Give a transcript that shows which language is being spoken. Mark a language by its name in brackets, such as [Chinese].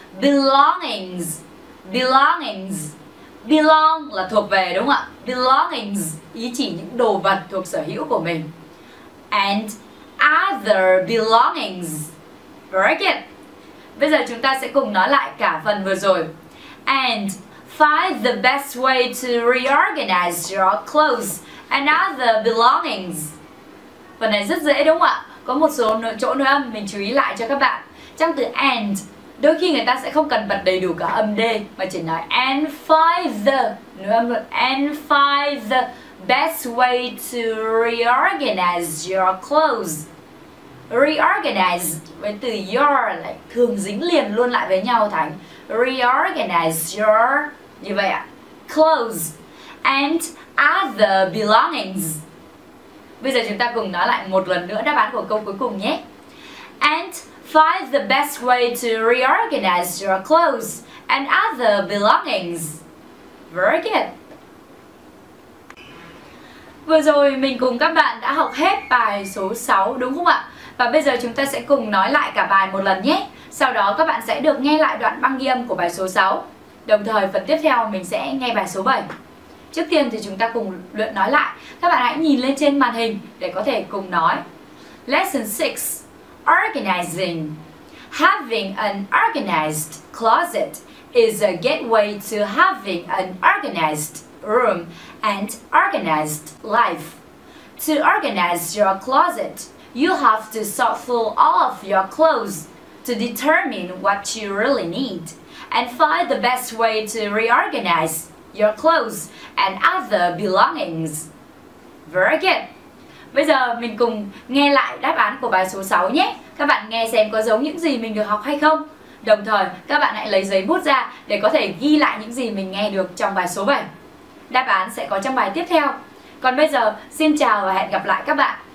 [Vietnamese] Belongings. Belong là thuộc về đúng không ạ? Belongings ý chỉ những đồ vật thuộc sở hữu của mình. [English] And other belongings. Very good. [Vietnamese] Bây giờ chúng ta sẽ cùng nói lại cả phần vừa rồi. [English] And find the best way to reorganize your clothes and other belongings. [Vietnamese] Phần này rất dễ đúng không ạ? Có một số chỗ nối âm mình chú ý lại cho các bạn. Trong từ and, đôi khi người ta sẽ không cần bật đầy đủ cả âm D mà chỉ nói [English] and find the, nối âm luôn, and find the best way to reorganize your clothes. [Vietnamese] Reorganize với từ your lại thường dính liền luôn lại với nhau thành reorganize your, như vậy ạ, [English] clothes and other belongings. [Vietnamese] Bây giờ chúng ta cùng nói lại một lần nữa đáp án của câu cuối cùng nhé. [English] And find the best way to reorganize your clothes and other belongings. Very good. [Vietnamese] Vừa rồi mình cùng các bạn đã học hết bài số 6 đúng không ạ? Và bây giờ chúng ta sẽ cùng nói lại cả bài một lần nhé. Sau đó các bạn sẽ được nghe lại đoạn băng ghi âm của bài số 6. Đồng thời phần tiếp theo mình sẽ nghe bài số 7. Trước tiên thì chúng ta cùng luyện nói lại. Các bạn hãy nhìn lên trên màn hình để có thể cùng nói. [English] Lesson 6. Organizing. Having an organized closet is a gateway to having an organized room and organized life. To organize your closet, you have to sort through all of your clothes to determine what you really need and find the best way to reorganize your clothes and other belongings. Very good. [Vietnamese] Bây giờ mình cùng nghe lại đáp án của bài số 6 nhé. Các bạn nghe xem có giống những gì mình được học hay không. Đồng thời, các bạn hãy lấy giấy bút ra để có thể ghi lại những gì mình nghe được trong bài số 7. Đáp án sẽ có trong bài tiếp theo. Còn bây giờ, xin chào và hẹn gặp lại các bạn.